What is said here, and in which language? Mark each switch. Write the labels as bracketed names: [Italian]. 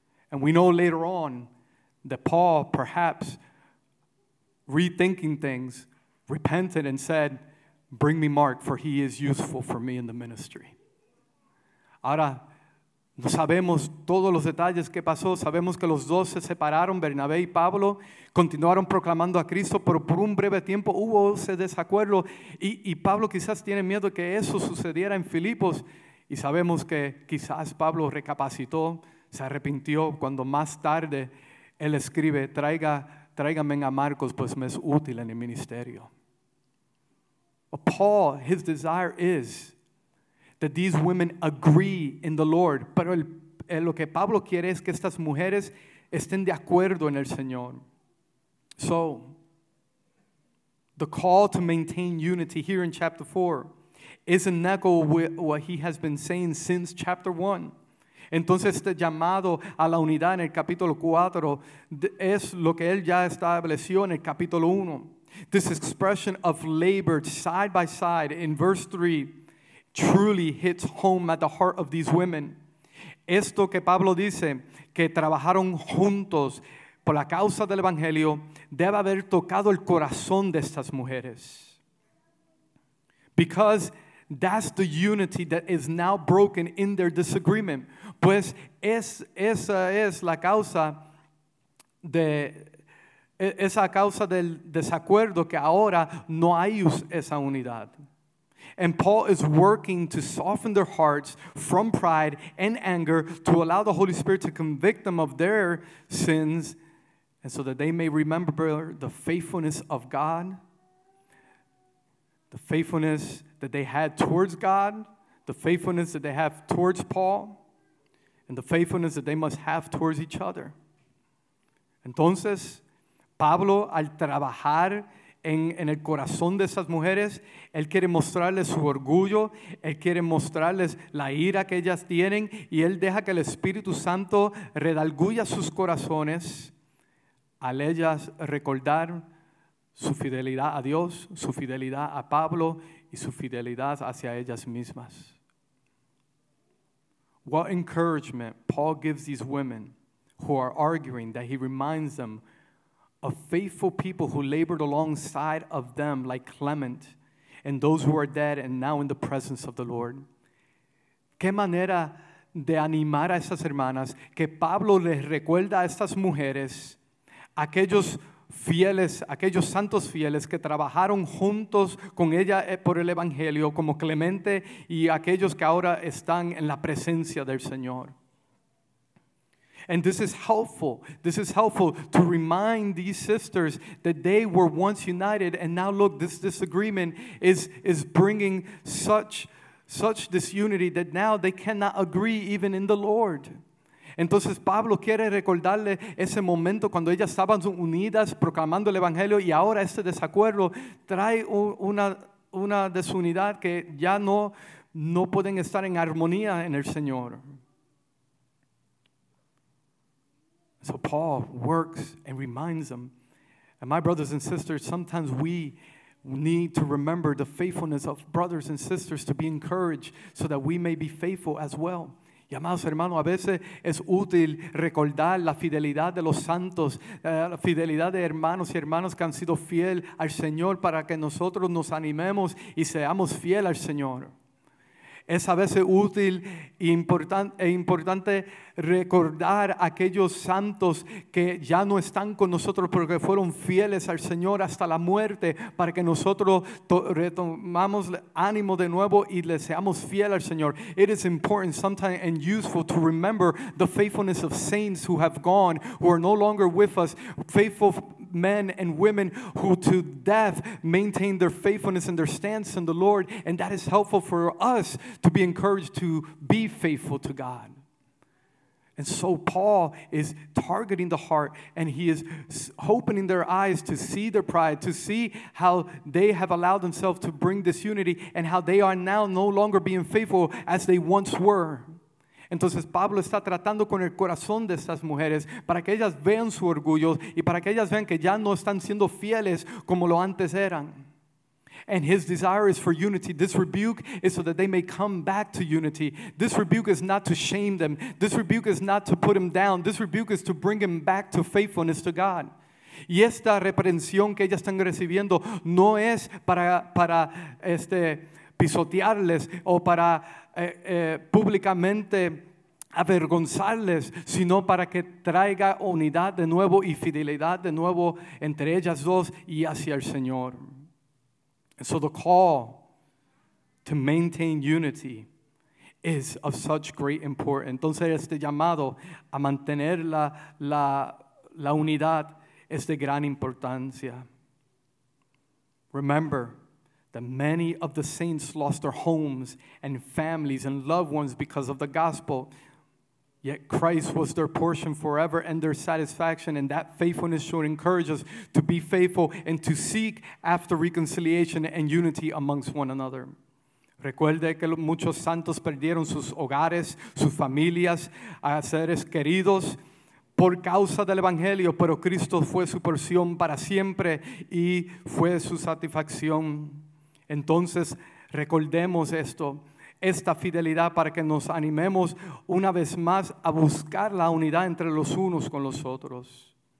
[English] And we know later on that Paul, perhaps rethinking things, repented and said, "Bring me Mark, for he is useful for me in the ministry." [Spanish] Ahora sabemos todos los detalles que pasó. Sabemos que los dos se separaron, Bernabé y Pablo, continuaron proclamando a Cristo, pero por un breve tiempo hubo ese desacuerdo y Pablo quizás tiene miedo que eso sucediera en Filipos. Y sabemos que quizás Pablo recapacitó, se arrepintió cuando más tarde él escribe, tráigame a Marcos, pues me es útil en el ministerio. [English] But Paul, his desire is that these women agree in the Lord. [Spanish] Pero lo que Pablo quiere es que estas mujeres estén de acuerdo en el Señor. [English] So, the call to maintain unity here in chapter 4 is an echo with what he has been saying since chapter 1. [Spanish] Entonces, este llamado a la unidad en el capítulo 4 es lo que él ya estableció en el capítulo 1. [English] This expression of labor side by side in verse 3 truly hits home at the heart of these women. [Spanish] Esto que Pablo dice, que trabajaron juntos por la causa del evangelio, debe haber tocado el corazón de estas mujeres. [English] Because that's the unity that is now broken in their disagreement. [Spanish] Pues esa es la causa de esa causa del desacuerdo que ahora no hay esa unidad. [English] And Paul is working to soften their hearts from pride and anger to allow the Holy Spirit to convict them of their sins and so that they may remember the faithfulness of God, the faithfulness that they had towards God, the faithfulness that they have towards Paul, and the faithfulness that they must have towards each other. [Spanish] Entonces, Pablo, al trabajar en el corazón de esas mujeres, él quiere mostrarles su orgullo, él quiere mostrarles la ira que ellas tienen, y él deja que el Espíritu Santo redalguya sus corazones al ellas recordar su fidelidad a Dios, su fidelidad a Pablo, y su fidelidad hacia ellas mismas. [English] What encouragement Paul gives these women who are arguing that he reminds them of faithful people who labored alongside of them like Clement and those who are dead and now in the presence of the Lord. [Spanish] ¿Qué manera de animar a esas hermanas que Pablo les recuerda a estas mujeres, aquellos fieles, aquellos santos fieles que trabajaron juntos con ella por el evangelio como Clemente y aquellos que ahora están en la presencia del Señor? [English] And this is helpful to remind these sisters that they were once united and now look, this disagreement is bringing such disunity that now they cannot agree even in the Lord. [Spanish] Entonces Pablo quiere recordarle ese momento cuando ellas estaban unidas proclamando el evangelio y ahora este desacuerdo trae una desunidad que ya no pueden estar en armonía en el Señor. [English] So Paul works and reminds them. And my brothers and sisters, sometimes we need to remember the faithfulness of brothers and sisters to be encouraged so that we may be faithful as well. [Spanish] Y amados hermanos, a veces es útil recordar la fidelidad de los santos, la fidelidad de hermanos y hermanas que han sido fiel al Señor para que nosotros nos animemos y seamos fiel al Señor. Es a veces útil e importante recordar aquellos santos que ya no están con nosotros pero que fueron fieles al Señor hasta la muerte para que nosotros retomamos ánimo de nuevo y le seamos fiel al Señor. [English] It is important sometimes and useful to remember the faithfulness of saints who have gone, who are no longer with us, faithful men and women who to death maintain their faithfulness and their stance in the Lord, and that is helpful for us to be encouraged to be faithful to God. And so Paul is targeting the heart and he is opening their eyes to see their pride, to see how they have allowed themselves to bring disunity and how they are now no longer being faithful as they once were. [Spanish] Entonces Pablo está tratando con el corazón de estas mujeres para que ellas vean su orgullo y para que ellas vean que ya no están siendo fieles como lo antes eran. [English] And his desire is for unity. This rebuke is so that they may come back to unity. This rebuke is not to shame them. This rebuke is not to put them down. This rebuke is to bring them back to faithfulness to God. [Spanish] Y esta reprensión que ellas están recibiendo no es para pisotearles o para públicamente avergonzarles, sino para que traiga unidad de nuevo y fidelidad de nuevo entre ellas dos y hacia el Señor. [English] And so the call to maintain unity is of such great importance. [Spanish] Entonces este llamado a mantener la unidad es de gran importancia. [English] Remember that many of the saints lost their homes and families and loved ones because of the gospel. Yet Christ was their portion forever and their satisfaction, and that faithfulness should encourage us to be faithful and to seek after reconciliation and unity amongst one another. [Spanish] Recuerde que muchos santos perdieron sus hogares, sus familias, a seres queridos por causa del evangelio, pero Cristo fue su porción para siempre y fue su satisfacción. Entonces, recordemos esto. Esta fidelidad para que nos animemos una vez más a buscar la unidad entre los unos con los otros.